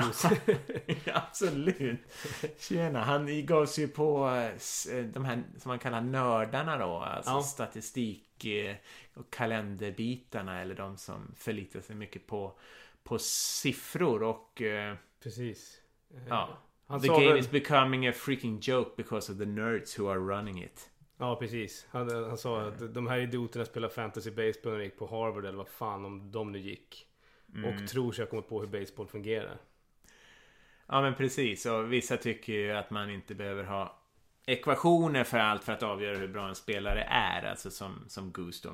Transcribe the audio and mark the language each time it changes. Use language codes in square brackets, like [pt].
[sv] gus. Ja, absolut. Tjena, han gav sig på de här som man kallar nördarna då, alltså statistik och kalenderbitarna, eller de som förlitar sig mycket på siffror och... Precis. Ja, han [en] the game is becoming a freaking joke because of the nerds who are running it. [sv] Ja, precis. Han sa att de här idioterna spelar fantasy baseball när de gick på Harvard, eller vad fan om de nu gick. Mm. Och tror sig ha kommit på hur baseball fungerar. Ja, men precis. Och vissa tycker ju att man inte behöver ha ekvationer för allt för att avgöra hur bra en spelare är, alltså som Goose då.